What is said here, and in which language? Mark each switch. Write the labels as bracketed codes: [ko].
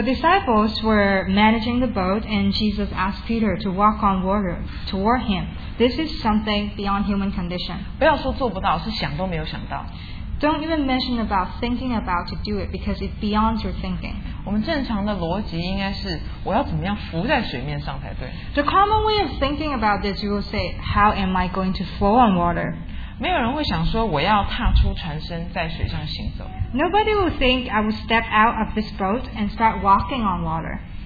[en] disciples were managing the boat, and Jesus asked Peter to walk on water toward him. This is something beyond human condition. [zh] 不要说做不到，是想都没有想到。Don't [en] even mention about thinking about to do it, because it's beyond your thinking. [zh] 我们正常的逻辑应该是，我要怎么样浮在水面上才对。The [en] common way of thinking about this, you will say, "How am I going to float on water?" [zh] 没有人会想说我要踏出船身在水上行走。 [en] Nobody will think I will step out of this boat and start walking on water.